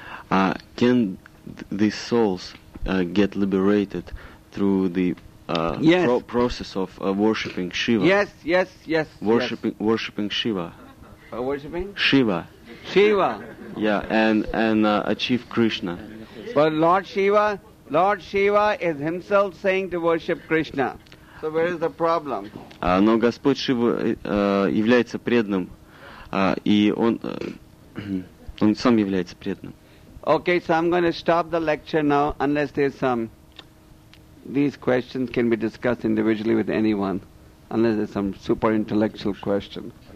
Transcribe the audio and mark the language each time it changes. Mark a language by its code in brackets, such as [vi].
[en] Can these souls get liberated through the process of worshipping Shiva? Yes, yes, yes. Worshipping Shiva. Worshipping? Shiva. Shiva. Yeah, and achieve Krishna. But Lord Shiva is himself saying to worship Krishna. So where is the problem? [ru] Но Господь Шива является преданным, и он сам является преданным. [en] Okay, so I'm going to stop the lecture now, unless there's some... These questions can be discussed individually with anyone, unless there's some super intellectual question.